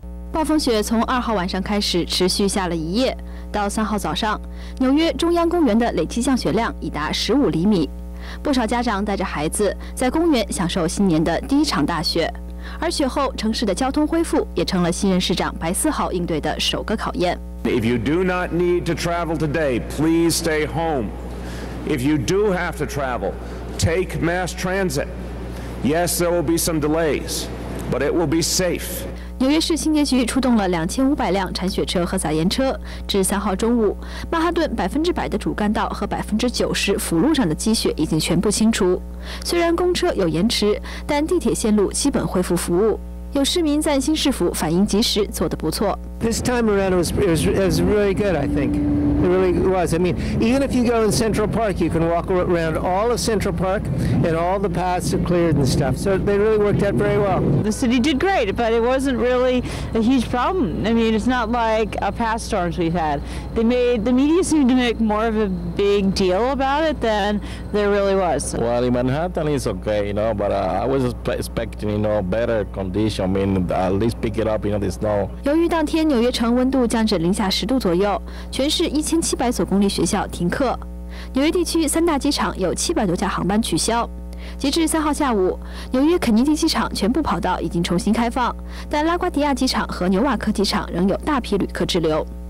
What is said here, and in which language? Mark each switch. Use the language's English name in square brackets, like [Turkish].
[Chinese] 暴风雪从2号晚上开始，持续下了一夜。到3号早上，纽约中央公园的累计降雪量已达15厘米。不少家长带着孩子在公园享受新年的第一场大雪，而雪后城市的交通恢复也成了新任市长白思豪应对的首个考验。 [English] If you do not need to travel today, please stay home. If you do have to travel, take mass transit. Yes, there will be some delays, but it will be safe. [Chinese] 纽约市清洁局出动了2500辆铲雪车和撒盐车，至3号中午，曼哈顿100%的主干道和90%辅路上的积雪已经全部清除。虽然公车有延迟，但地铁线路基本恢复服务。有市民赞新市府反应及时，做得不错。 [English] This time around it was really good, I think. It really was. I mean, even if you go in Central Park, you can walk around all of Central Park and all the paths are cleared and stuff. So they really worked out very well. The city did great, but it wasn't really a huge problem. I mean, it's not like a past storms we've had. The media seemed to make more of a big deal about it than there really was. Well, in Manhattan it's okay, you know, but I was expecting, you know, better condition. I mean, at least pick it up, you know, the snow. [Chinese] 由于当天纽约城温度降至-10度左右，全市1700所公立学校停课。纽约地区3大机场有700多架航班取消。截至3号下午，纽约肯尼迪机场全部跑道已经重新开放，但拉瓜迪亚机场和纽瓦克机场仍有大批旅客滞留。